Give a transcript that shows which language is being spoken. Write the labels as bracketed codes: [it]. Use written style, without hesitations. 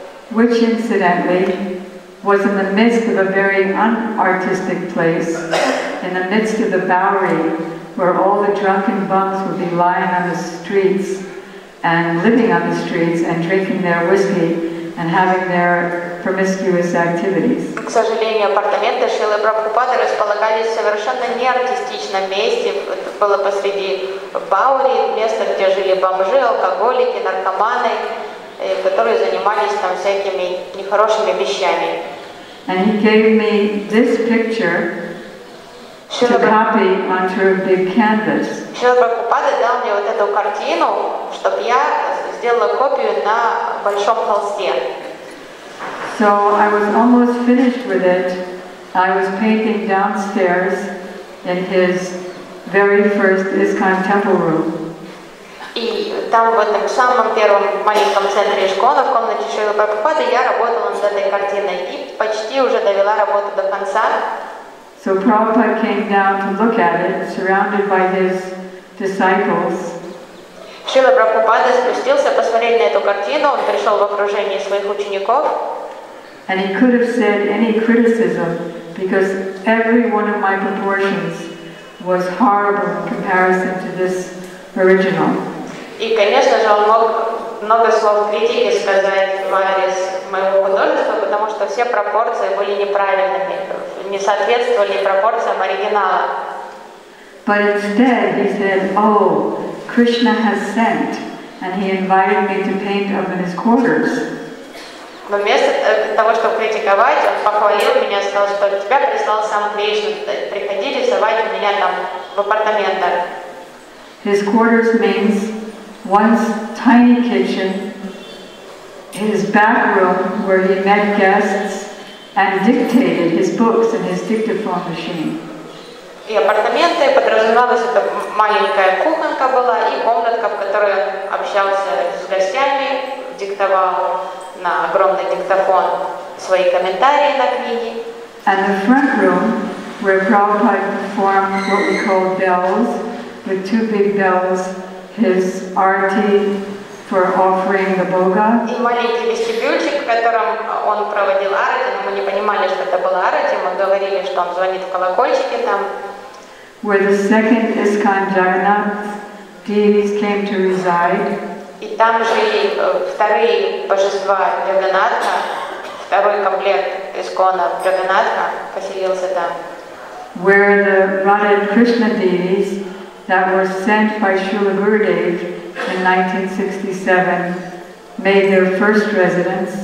[en] Which incidentally was in the midst of a very unartistic place, in the midst of the Bowery, where all the drunken bums would be lying on the streets and living on the streets and drinking their whiskey and having their promiscuous activities. [ru] К сожалению, апартаменты Шрилы Прабхупады располагались в совершенно неартистичном месте. Это было посреди Bowery, место, где жили бомжи, алкоголики, наркоманы. Которые занимались там всякими нехорошими вещами. [en] And he gave me this picture to copy onto a big canvas. [ru] Шрила Прабхупада дал мне вот эту картину, чтобы я сделала копию на большом холсте. [en] So I was almost finished with it. I was painting downstairs in his very first ISKCON temple room. [ru] И там, в этом самом первом маленьком центре ИШКОНа, в комнате Шрилы Прабхупады, я работала над этой картиной и почти уже довела работу до конца. [en] So Prabhupada came down to look at it, surrounded by his disciples. [ru] Шрила Прабхупада спустился посмотреть на эту картину, он пришел в окружении своих учеников. [en] And he could have said any criticism, because every one of my proportions was horrible in comparison to this original. [ru] И, конечно же, он мог много слов критики сказать в адрес моего художества, потому что все пропорции были неправильными, не соответствовали пропорциям оригинала. [en] But instead he said, oh, Krishna has sent, and he invited me to paint over his quarters. [ru] Но вместо того, чтобы критиковать, он похвалил меня, сказал, что тебя прислал сам Кришна, приходи рисовать у меня там в апартаментах. [en] His quarters means one's tiny kitchen, his back room where he met guests and dictated his books in his dictaphone machine. [ru] И апартаменты подразумевалось, это маленькая кухонка была и комнатка, в которой общался с гостями, диктовал на огромный диктофон свои комментарии на книги. [en] And the front room where Prabhupada performed what we call bells, with two big bells, his arti for offering the bhoga. [ru] И маленький вестибюльчик, в котором он проводил арати, но мы не понимали, что это была арати, мы говорили, что он звонит в колокольчики там. [en] Where the second ISKCON Jagannath deities came to reside. [ru] И там жили вторые божества Джаганнатха, второй комплект ИСККОНа Джаганнатха поселился там. [en] Where the Radha and Krishna deities that were sent by Srila Gurudev in 1967 made their first residence.